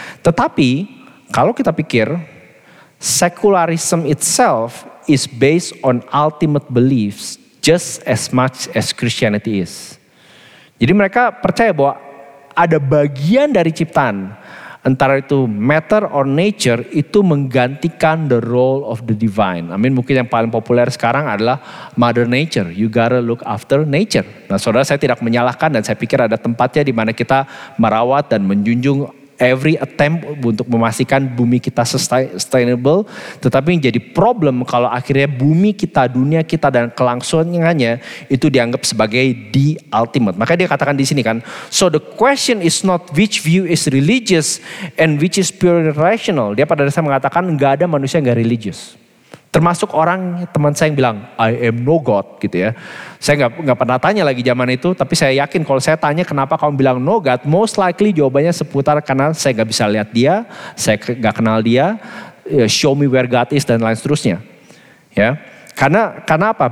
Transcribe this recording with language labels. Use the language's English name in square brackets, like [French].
[Indonesian] Tetapi kalau kita pikir, [English] secularism itself is based on ultimate beliefs just as much as Christianity is. [Indonesian] Jadi mereka percaya bahwa ada bagian dari ciptaan, antara itu [English] matter or nature, [Indonesian] itu menggantikan [English] the role of the divine. I mean, [Indonesian] mungkin yang paling populer sekarang adalah [English] mother nature. You gotta look after nature. [Indonesian] Nah, saudara, saya tidak menyalahkan dan saya pikir ada tempatnya di mana kita merawat dan menjunjung [English] every attempt [Indonesian] untuk memastikan bumi kita sustainable. Tetapi yang jadi problem kalau akhirnya bumi kita, dunia kita dan kelangsungannya itu dianggap sebagai [English] the ultimate. [Indonesian] Makanya dia katakan di sini kan, [English] so the question is not which view is religious and which is purely rational. [Indonesian] Dia pada dasarnya mengatakan gak ada manusia yang gak religious. Termasuk orang teman saya yang bilang, [English] I am no God [Indonesian] gitu ya. Saya gak pernah tanya lagi zaman itu, tapi saya yakin kalau saya tanya kenapa kamu bilang no God, [English] most likely [Indonesian] jawabannya seputar karena saya gak bisa lihat dia, saya gak kenal dia, [English] show me where God is [Indonesian] dan lain seterusnya. Ya. Karena apa?